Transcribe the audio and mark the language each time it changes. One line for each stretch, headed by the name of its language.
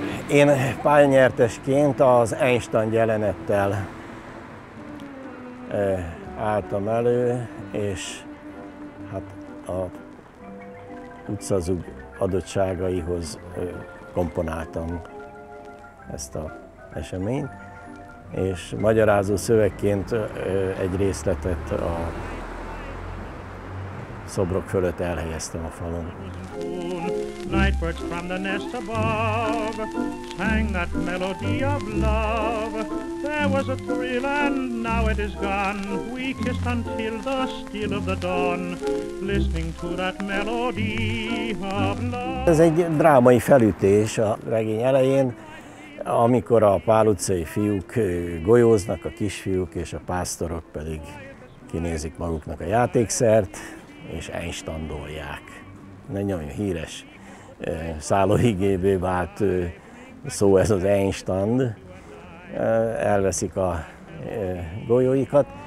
Hungarian: Én pályanyertesként az Einstein jelenettel álltam elő, és hát a utcazug adottságaihoz komponáltam ezt az eseményt, és magyarázó szövegként egy részletet a szobrok fölött elhelyeztem a falon.
English: Nightbirds from the nest above sang that melody of love. There was a thrill and now it is gone. We kissed until the steel of the dawn, listening to that melody of love.
Hungarian: Ez egy drámai felütés a regény elején, amikor a Pál utcai fiúk golyóznak, a kisfiúk és a pásztorok pedig kinézik maguknak a játékszert és einstandolják. Nagyon híres szállóhigébé vált szó ez az Einstein, elveszik a golyóikat.